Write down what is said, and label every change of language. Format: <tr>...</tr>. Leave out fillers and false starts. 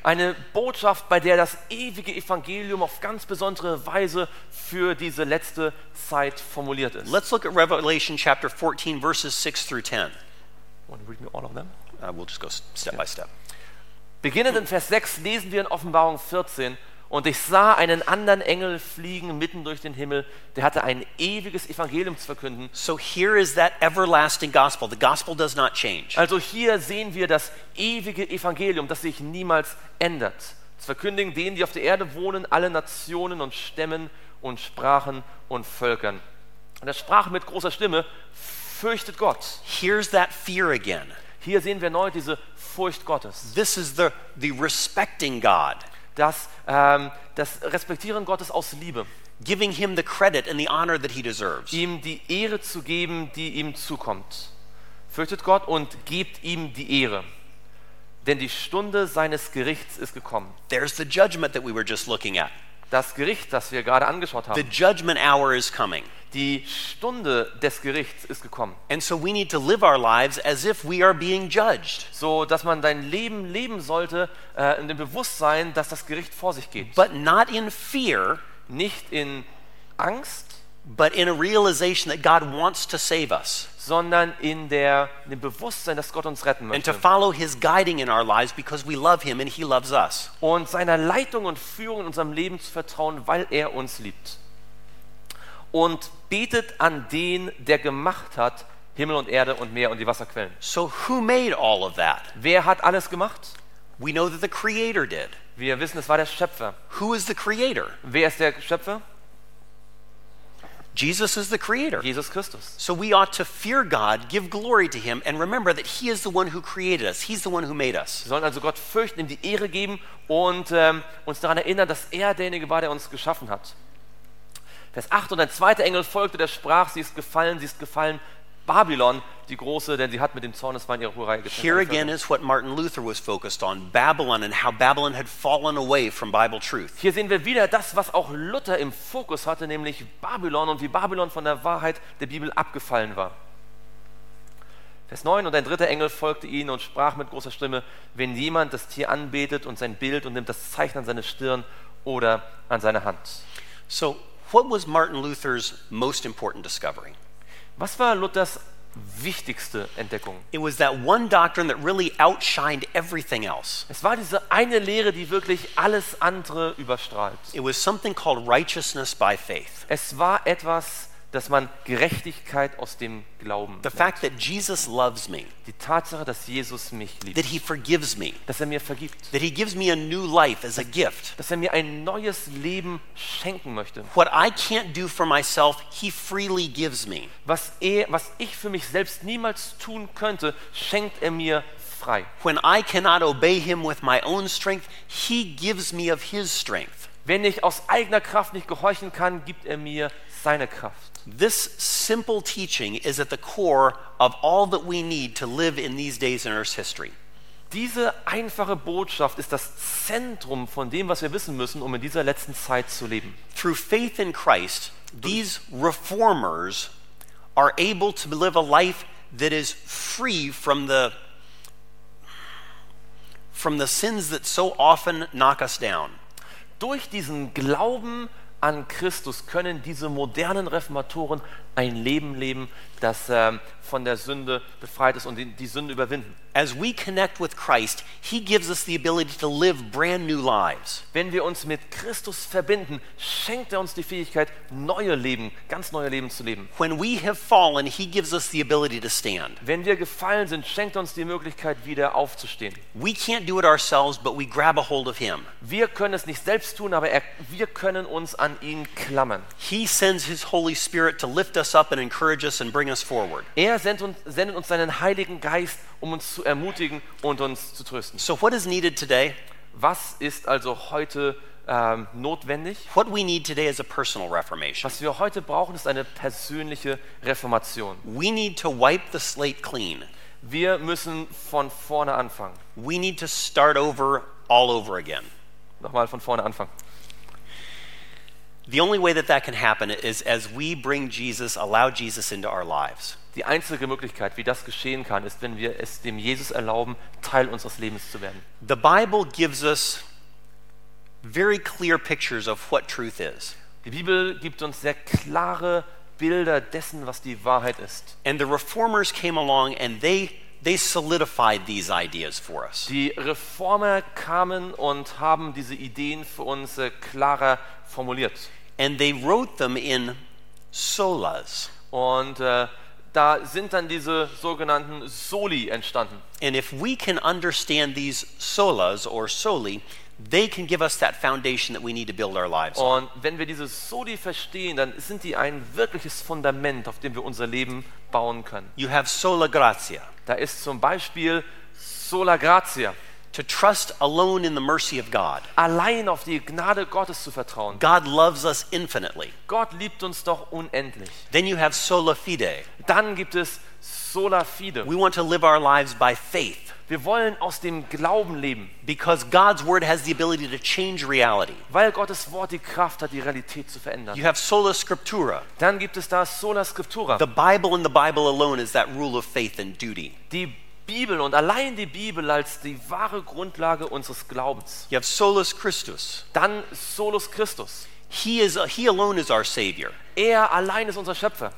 <de>Eine Botschaft, bei der das ewige Evangelium auf ganz besondere Weise für diese letzte Zeit formuliert ist.</de> <en>Let's look at Revelation chapter 14 verses 6 through 10. Want to read me all of them? We'll just go step by step.</en> <de>Beginnend in Vers 6 lesen wir in Offenbarung 14: Und ich sah einen anderen Engel fliegen mitten durch den Himmel, der hatte ein ewiges Evangelium zu verkünden.</de> <en>So here is that everlasting gospel. The gospel does not change.</en> <de>Also hier sehen wir das ewige Evangelium, das sich niemals ändert. Zu verkündigen denen, die auf der Erde wohnen, alle Nationen und Stämmen und Sprachen und Völkern. Und er sprach mit großer Stimme: Fürchtet Gott.</de> <en>Here's that fear again.</en> <de>Hier sehen wir neu diese Furcht Gottes.</de> <en>This is the respecting God.</en> <de>Das Respektieren Gottes aus Liebe.</de> <en>Giving him the credit and the honor that he deserves.</en> <de>Ihm die Ehre zu geben, die ihm zukommt. Fürchtet Gott und gebt ihm die Ehre. Denn die Stunde seines Gerichts ist gekommen.</de> <en>There's the judgment that we were just looking at.</en> <de>Das Gericht, das wir gerade angeschaut haben.</de> <en>The judgment hour is coming.</en> <de>Die Stunde des Gerichts ist gekommen.</de> <en>And so we need to live our lives as if we are being judged.</en> <de>So dass man dein Leben leben sollte in dem Bewusstsein, dass das Gericht vor sich geht.</de> <en>But not in fear,</en> <de>nicht in Angst,</de> <en>but in a realization that God wants to save us.</en> <de>Sondern in dem Bewusstsein, dass Gott uns retten möchte.</de> <en>And to follow his guiding in our lives because we love him and he loves us.</en> <de>Und seiner Leitung und Führung in unserem Leben zu vertrauen, weil er uns liebt. Und betet an den, der gemacht hat, Himmel und Erde und Meer und die Wasserquellen.</de> <en>So who made all of that?</en> <de>Wer hat alles gemacht?</de> <en>We know that the creator did.</en> <de>Wir wissen, es war der Schöpfer.</de> <en>Who is the creator?</en> <de>Wer ist der Schöpfer?</de> <en>Jesus is the creator.</en> <de>Jesus Christus.</de> <en>So we ought to fear God, give glory to him and remember that he is the one who created us. He's the one who made us.</en> <de>Wir sollen also Gott fürchten, ihm die Ehre geben und uns daran erinnern, dass er derjenige war, der uns geschaffen hat. Vers 8, und ein zweiter Engel folgte, der sprach: sie ist gefallen, Babylon, die Große, denn sie hat mit dem Zorneswein ihre Hurerei getrunken.</de> <en>Here again is what Martin Luther was focused on, Babylon and how Babylon had fallen away from Bible truth.</en> <de>Hier sehen wir wieder das, was auch Luther im Fokus hatte, nämlich Babylon und wie Babylon von der Wahrheit der Bibel abgefallen war. Vers 9, und ein dritter Engel folgte ihnen und sprach mit großer Stimme: Wenn jemand das Tier anbetet und sein Bild und nimmt das Zeichen an seine Stirn oder an seine Hand.</de> <en>So, what was Martin Luther's most important discovery?</en> <de>Was war Luthers wichtigste Entdeckung?</de> <en>It was that one doctrine that really outshined everything else.</en> <de>Es war diese eine Lehre, die wirklich alles andere überstrahlt.</de> <en>It was something called righteousness by faith.</en> <de>Es war etwas, dass man Gerechtigkeit aus dem Glauben.</de> <en>The fact that Jesus loves me.</en> <de>Die Tatsache, dass Jesus mich liebt.</de> <en>That he forgives me.</en> <de>Dass er mir vergibt.</de> <en>That he gives me a new life as a gift.</en> <de>Dass er mir ein neues Leben schenken möchte.</de> <en>What I can't do for myself, he freely gives me.</en> <de>Was ich für mich selbst niemals tun könnte, schenkt er mir frei.</de> <en>When I cannot obey him with my own strength, he gives me of his strength.</en> <de>Wenn ich aus eigener Kraft nicht gehorchen kann, gibt er mir seine Kraft.</de> <en>This simple teaching is at the core of all that we need to live in these days in Earth's history.</en> <de>Diese einfache Botschaft ist das Zentrum von dem, was wir wissen müssen, um in dieser letzten Zeit zu leben.</de> <en>Through faith in Christ, these reformers are able to live a life that is free from the sins that so often knock us down.</en> <de>Durch diesen Glauben an Christus können diese modernen Reformatoren ein Leben leben, das von der Sünde befreit ist und die Sünde überwinden.</de> <en>As we connect with Christ, he gives us the ability to live brand new lives.</en> <de>Wenn wir uns mit Christus verbinden, schenkt er uns die Fähigkeit, neue Leben, ganz neue Leben zu leben.</de> <en>When we have fallen, he gives us the ability to stand.</en> <de>Wenn wir gefallen sind, schenkt er uns die Möglichkeit, wieder aufzustehen.</de> <en>We can't do it ourselves, but we grab a hold of him.</en> <de>Wir können es nicht selbst tun, aber wir können uns an ihn klammern.</de> <en>He sends his Holy Spirit to lift us up and encourage us and bring us forward.</en> <de>Er sendet uns seinen Heiligen Geist, um uns zu ermutigen und uns zu trösten.</de> <en>So what is needed today?</en> <de>Was ist also heute notwendig?</de> <en>What we need today is a personal reformation.</en> <de>Was wir heute brauchen, ist eine persönliche Reformation.</de> <en>We need to wipe the slate clean.</en> <de>Wir müssen von vorne anfangen.</de> <en>We need to start over all over again.</en> <de>Nochmal von vorne anfangen.</de> <en>The only way that can happen is as we bring Jesus, allow Jesus into our lives.</en> <de>Die einzige Möglichkeit, wie das geschehen kann, ist, wenn wir es dem Jesus erlauben, Teil unseres Lebens zu werden.</de> <en>The Bible gives us very clear pictures of what truth is.</en> <de>Die Bibel gibt uns sehr klare Bilder dessen, was die Wahrheit ist.</de> <en>And the reformers came along and they solidified these ideas for us.</en> <de>Die Reformer kamen und haben diese Ideen für uns klarer formuliert.</de> <en>And they wrote them in solas.</en> <de>Und da sind dann diese sogenannten Soli entstanden.</de> <en>And if we can understand these solas or soli, they can give us that foundation that we need to build our lives on.</en> <de>Und wenn wir diese Soli verstehen, dann sind die ein wirkliches Fundament, auf dem wir unser Leben bauen können.</de> <en>You have sola gratia.</en> <de>Da ist zum Beispiel sola gratia.</de> <en>To trust alone in the mercy of God.</en> <de>Allein auf die Gnade Gottes zu vertrauen.</de> <en>God loves us infinitely.</en> <de>Gott liebt uns doch unendlich.</de> <en>Then you have sola fide.</en> <de>Dann gibt es sola fide.</de> <en>We want to live our lives by faith.</en> <de>Wir wollen aus dem Glauben leben.</de> <en>Because God's word has the ability to change reality.</en> <de>Weil Gottes Wort die Kraft hat, die Realität zu verändern.</de> <en>You have sola scriptura.</en> <de>Dann gibt es da sola scriptura.</de> <en>The Bible and the Bible alone is that rule of faith and duty.</en> <de>Die Bibel und allein die Bibel als die wahre Grundlage unseres Glaubens.</de> <en>You have solus Christus.</en> <de>Dann solus Christus.</de> <en>He alone is our Savior.</en> <de>Er allein ist unser Schöpfer.</de>